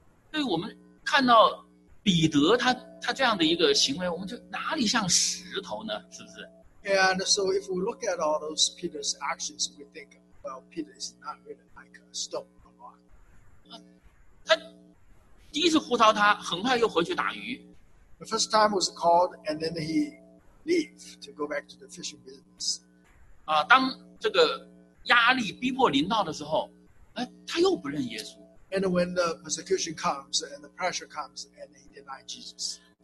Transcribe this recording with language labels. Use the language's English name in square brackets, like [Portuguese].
[Chinese] 对我们看到彼得他这样的一个行为，我们就哪里像石头呢？是不是 [English] And so if we look at all those Peter's actions, we think, well, Peter is not really like a stone or rock. [Chinese] 他第一次呼召他, 很快又回去打鱼。 [English] The first time was called, and then he leave to go back to the fishing business. [Chinese] 当这个压力逼迫临到的时候, 他又不认耶稣。 [English] And when the persecution comes and the pressure comes, and he deny Jesus.